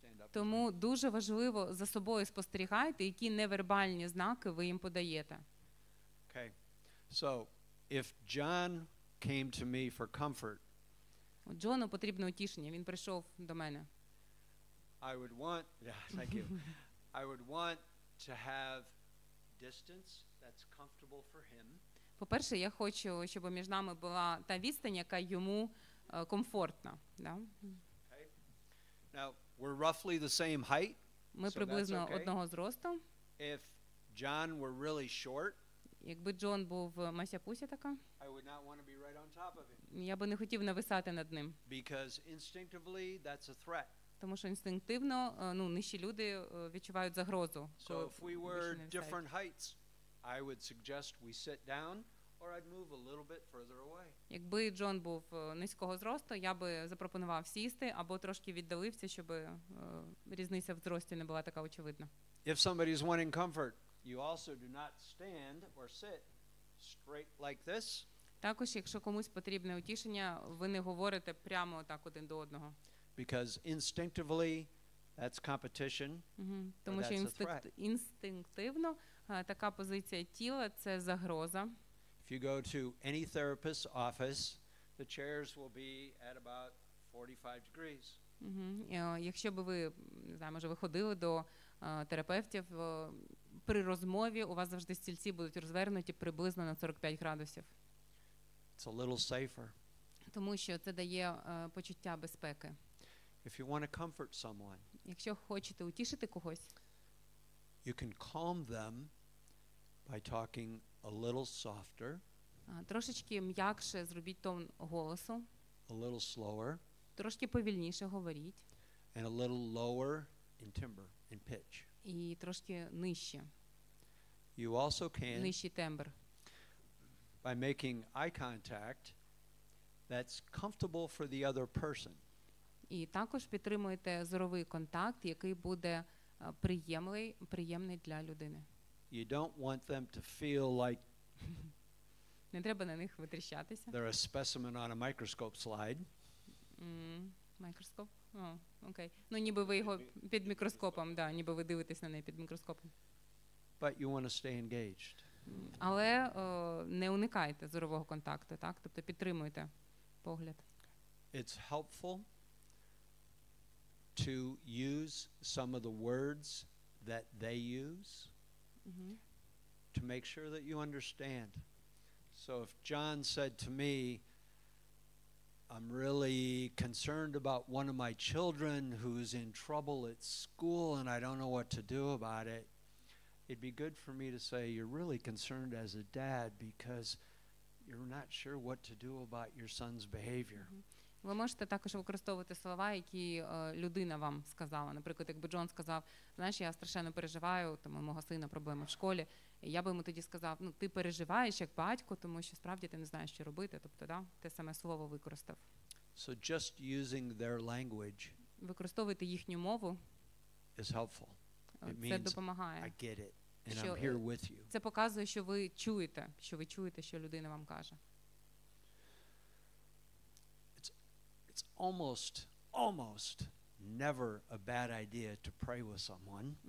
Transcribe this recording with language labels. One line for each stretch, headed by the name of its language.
Ukrainian: Тому дуже важливо за собою спостерігати, які невербальні знаки ви їм подаєте.
English: Okay. So, if John came to me for comfort,
Ukrainian: Джону потрібно утішення, він прийшов до мене.
English: I would want, yeah, thank you. I would want to have distance that's comfortable for him.
Ukrainian: По-перше, я хочу, щоб між нами була та відстань, яка йому комфортна, да?
English: Okay. Now, we're roughly the same height.
Ukrainian: Ми
English: so
Ukrainian: приблизно
English: that's okay.
Ukrainian: одного зросту.
English: If John were really short,
Ukrainian: якби Джон був масякуся така,
English: I would not want to be right on top of him.
Ukrainian: Я би не хотів нависати над ним.
English: Because instinctively that's a threat.
Ukrainian: Тому що інстинктивно, ну, нижчі люди відчувають загрозу.
English: So if we were different heights, I would suggest we sit down or I'd move a little bit further away.
Ukrainian: Якби Джон був низького зросту, я би запропонував сісти або трошки віддалився, щоб різниця в зрості не була така очевидна.
English: If somebody is wanting comfort, you also do not stand or sit straight like this.
Ukrainian: Також, якщо комусь потрібне утішення, ви не говорите прямо так один до одного.
English: Because instinctively That's competition.
Ukrainian: Тому що інстинктивно така позиція тіла – це загроза.
English: If you go to any therapist's office, the chairs will be at about 45 degrees.
Ukrainian: Якщо б ви, не знаю, може, ви ходили до терапевтів, при розмові у вас завжди стільці будуть розвернуті приблизно на 45 градусів.
English: It's a little safer.
Ukrainian: Тому що це дає почуття безпеки.
English: If you want to comfort someone,
Ukrainian: якщо хочете утішити когось,
English: you can calm them by talking a little softer,
Ukrainian: трошечки м'якше зробіть тон голосу,
English: a little slower,
Ukrainian: трошки повільніше говоріть,
English: and a little lower in timbre, in pitch,
Ukrainian: і трошки нижче.
English: You also can,
Ukrainian: нижчий тембр,
English: by making eye contact that's comfortable for the other person.
Ukrainian: І також підтримуєте зоровий контакт, який буде приємний для людини.
English: You don't want them to feel like
Ukrainian: не треба на них витріщатися.
English: They're a specimen on a microscope slide.
Ukrainian: Мікроскоп? Окей. Ну, ніби ви його під мікроскопом, да, ніби ви дивитесь на неї під мікроскопом.
English: But you want to stay engaged.
Ukrainian: Але не уникайте зорового контакту, так? Тобто підтримуйте погляд.
English: It's helpful to use some of the words that they use to make sure that you understand. So if John said to me, I'm really concerned about one of my children who's in trouble at school and I don't know what to do about it, it'd be good for me to say, you're really concerned as a dad because you're not sure what to do about your son's behavior.
Ukrainian: Ви можете також використовувати слова, які людина вам сказала. Наприклад, якби Джон сказав, знаєш, я страшенно переживаю, тому мого сина проблеми в школі. І я би йому тоді сказав, ну, ти переживаєш як батько, тому що справді ти не знаєш, що робити. Тобто, да, те саме слово використав.
English: So just using their language,
Ukrainian: використовувати їхню мову,
English: is helpful.
Ukrainian: Це допомагає.
English: I get it, and I'm here with you.
Ukrainian: Це показує, що ви чуєте, що ви чуєте, що людина вам каже.
English: Almost never a bad idea to pray with someone.